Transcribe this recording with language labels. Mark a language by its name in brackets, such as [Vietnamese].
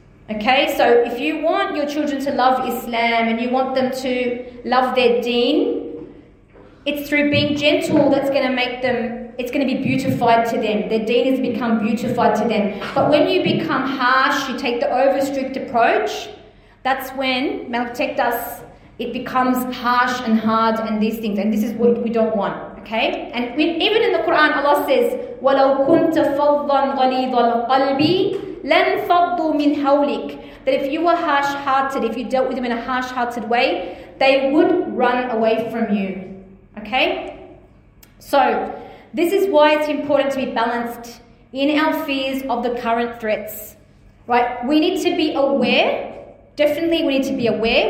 [English] Okay, so if you want your children to love Islam and you want them to love their deen, it's through being gentle that's going to make them, it's going to be beautified to them. Their deen has become beautified to them. But when you become harsh, you take the over-strict approach, that's when, may Allah protect us, it becomes harsh and hard and these things, and this is what we don't want, okay? And even in the Quran, Allah says, [Arabic] وَلَوْ كُنْتَ فَضًّا غَلِيظَ الْقَلْبِ لَنْ فَضُّوا مِنْ حَوْلِكَ. [English] That if you were harsh-hearted, if you dealt with them in a harsh-hearted way, they would run away from you, okay? So, this is why it's important to be balanced in our fears of the current threats, right? We need to be aware. Definitely, we need to be aware.